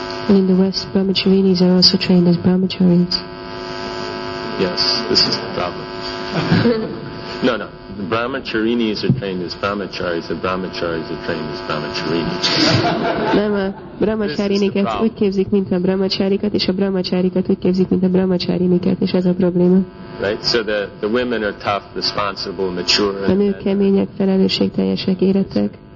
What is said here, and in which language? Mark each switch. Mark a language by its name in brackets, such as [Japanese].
[English] And in the West, brahmacharinis are also trained as brahmacharis. Yes, this is the problem. No. The brahmacharinis are trained as brahmacharis, the brahmacharis are trained as brahmacharinis. [Hungarian] Nem, a brahmacharinikat úgy képzik, mint a brahmacharikat, és a brahmacharikat úgy képzik, mint a brahmacharinikat, és ez a probléma. [English] Right, so the women are tough, responsible, mature. [Hungarian] A nők kemények, felelősségteljesek, érettek.